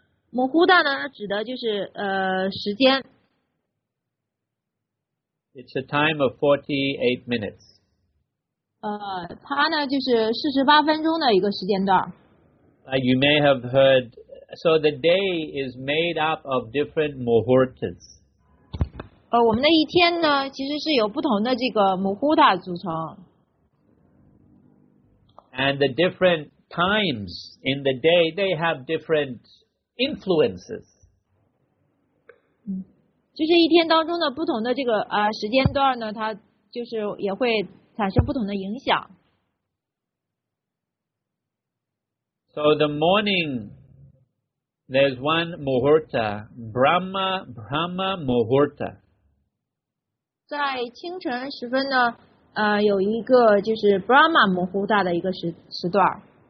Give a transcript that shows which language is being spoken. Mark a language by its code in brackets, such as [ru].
[zh] 模糊的呢，指的就是时间。 [en] It's a time of 48 minutes. [zh] 它呢就是48分钟的一个时间段。 [en] You may have heard, so the day is made up of different muhurtas. [zh] 我们的一天呢，其实是由不同的这个 muhurta 组成。 [en] And the different times in the day, they have different influences. [zh] 就是一天当中的不同的这个时间段呢，它就是也会产生不同的影响。 [en] So the morning, there's one muhurta, Brahma muhurta. [zh] 在清晨时分呢，有一个就是 Brahma muhurta 的一个时段。